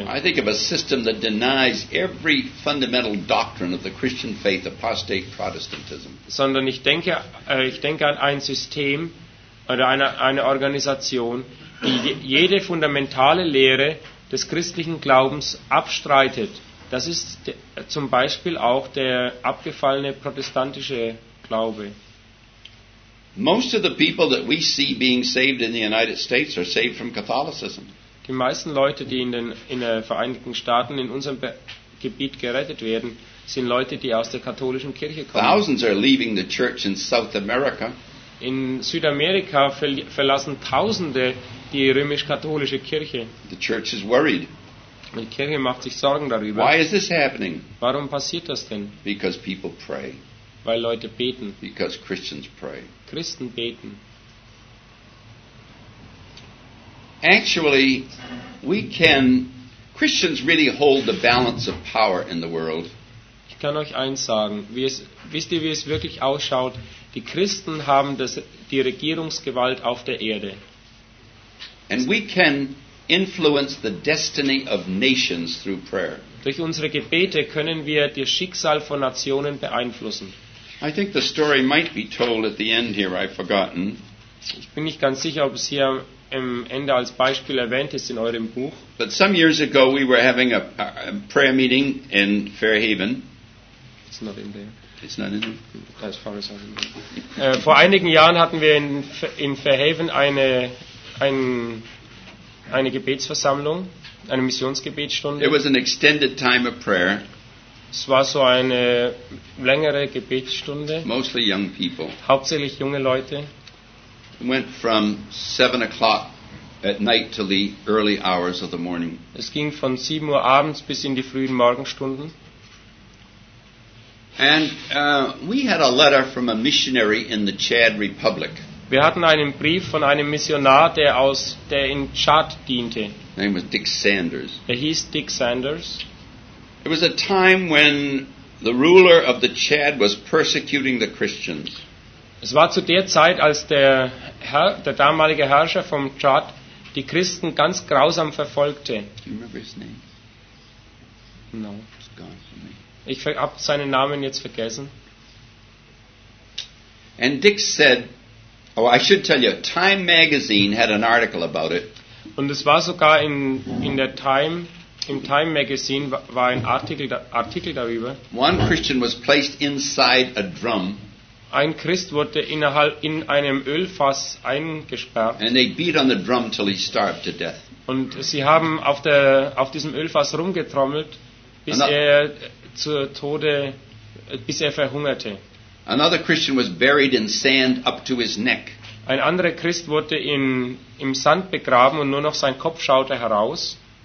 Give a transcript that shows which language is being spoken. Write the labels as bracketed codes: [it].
[en] I think of a system that denies every fundamental doctrine of the Christian faith, apostate Protestantism. [de] Sondern ich denke an ein System, oder eine Organisation, die jede fundamentale Lehre des christlichen Glaubens abstreitet. Das ist zum Beispiel auch der abgefallene protestantische Glaube. [en] Most of the people that we see being saved in the United States are saved from Catholicism. [de] Die meisten Leute, die in den Vereinigten Staaten in unserem Gebiet gerettet werden, sind Leute, die aus der katholischen Kirche kommen. [en] Thousands are leaving the church in South America. [de] In Südamerika verlassen Tausende die römisch-katholische Kirche. [en] The church is worried. [de] Die Kirche macht sich Sorgen darüber. [en] Why is this happening? [de] Warum passiert das denn? [en] Because people pray. [de] Weil Leute beten. [en] Because Christians pray. [de] Christen beten. [en] Actually, Christians really hold the balance of power in the world. [de] Ich kann euch eins sagen. Wisst ihr, wie es wirklich ausschaut? Die Christen haben die Regierungsgewalt auf der Erde. [en] And we can influence the destiny of nations through prayer. [de] Durch unsere Gebete können wir das Schicksal von Nationen beeinflussen. [en] I think the story might be told at the end here, I've forgotten. [de] Ich bin nicht ganz sicher, ob es hier am Ende als Beispiel erwähnt ist in eurem Buch. [en] But some years ago we were having a prayer meeting in Fairhaven. It's not in there. It's not in there. As far as I remember. [de] Vor einigen Jahren hatten wir in Fairhaven eine Gebetsversammlung, eine Missionsgebetsstunde. [en] It was an extended time of prayer. [de] Es war so eine längere Gebetsstunde. [en] Mostly young people. [de] Hauptsächlich junge Leute. [en] It went from 7 o'clock at night till the early hours of the morning. [de] Es ging von 7 Uhr abends bis in die frühen Morgenstunden. [en] And we had a letter from a missionary in the Chad Republic. [de] Wir hatten einen Brief von einem Missionar, der in Chad diente. [en] His name was Dick Sanders. [de] Er hieß Dick Sanders. [en] It was a time when the ruler of the Chad was persecuting the Christians. [de] Es war zu der Zeit, als der damalige Herrscher vom Chad die Christen ganz grausam verfolgte. [en] Do you remember his name? No. It's gone from me. [de] Ich hab seinen Namen jetzt vergessen. [en] And Dick said, I should tell you, Time magazine had an article about it. [de] Und es war sogar im Time magazine war ein Artikel darüber. [en] One Christian was placed inside a drum. [de] Ein Christ wurde in einem Ölfass eingesperrt. [en] And they beat on the drum till he starved to death. [de] Und sie haben auf diesem Ölfass rumgetrommelt, bis er verhungerte. [en] Another Christian was buried in sand up to his neck. [de] Ein anderer Christ wurde im Sand begraben und nur noch sein Kopf schaute heraus.